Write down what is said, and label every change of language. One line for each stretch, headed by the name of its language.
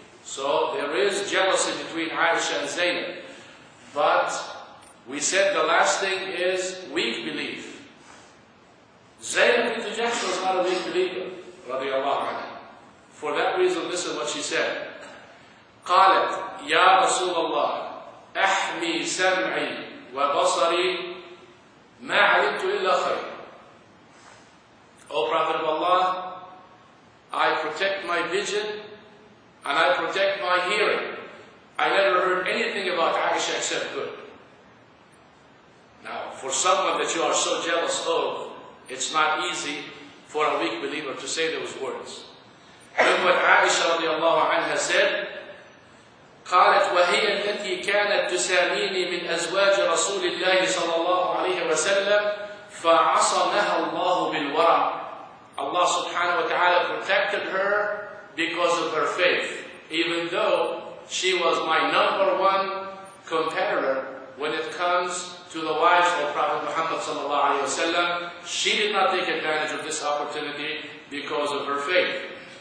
English: So there is jealousy between Aisha and Zainab. But we said the last thing is weak belief. Zainab bint Jahsh was not a weak believer, radiallahu anha. For that reason, listen what she said.
Arabic: قالت يا رسول الله احمي سمعي وبصري ما علمت إلا خير.
English: O Prophet of Allah, I protect my vision and I protect my hearing. I never heard anything about Aisha except good. Now, for someone that you are so jealous of, it's not easy for a weak believer to say those words. Look what Aisha radiallahu anha said.
Arabic: قالت وهي التي كانت تساميني من أزواج رسول الله صلى الله عليه وسلم فعصمها الله بالورع.
English: Allah subhanahu wa ta'ala protected her because of her faith, even though she was my number one competitor when it comes to the wives of Prophet Muhammad sallallahu alayhi wa sallam. She did not take advantage of this opportunity because of her faith.